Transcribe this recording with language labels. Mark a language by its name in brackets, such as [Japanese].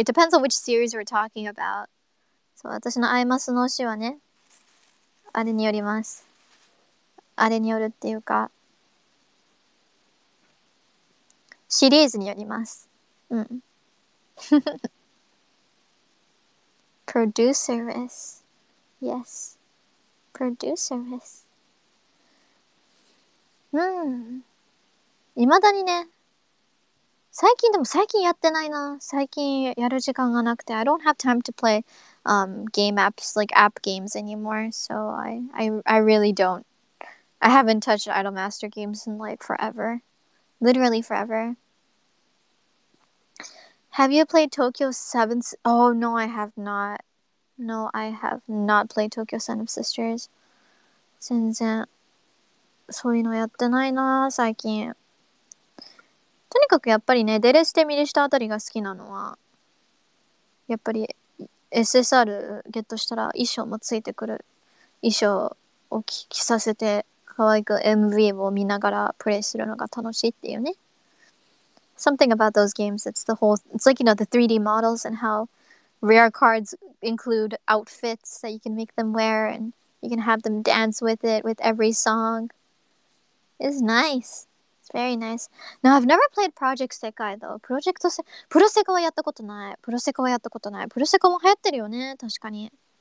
[English] It depends on which series we're talking about. [Japanese] So, 私の IMAS の Oshi はね、あれによります。あれによるっていうかシリーズによります。うん。 [English] Produceress. Yes. Produceress. [Japanese] うん。未だにね。最近でも最近やってないな。最近やる時間がなくて。 [English] I don't have time to play game apps, like app games anymore. So I really don't. I haven't touched Idolmaster games in like forever. Literally forever. Have you played Tokyo 7th? Oh no, I have not. No, I have not played Tokyo 7th Sisters. [Japanese] 全然そういうのやってないな、最近。とにかくやっぱりね、デレステミリシタあたりが好きなのは、やっぱり SSR ゲットしたら衣装もついてくる。衣装を着させて、可愛く MV を見ながらプレイするのが楽しいっていうね。 [English] Something about those games, it's the whole, it's like, you know, the 3D models and how rare cards include outfits that you can make them wear and you can have them dance with it with every song. It's nice. It's very nice. No, I've never played Project Sekai though. [Japanese] プロセコはやったことない。プロセコはやったことない。プロセコも流行ってるよね、確かに。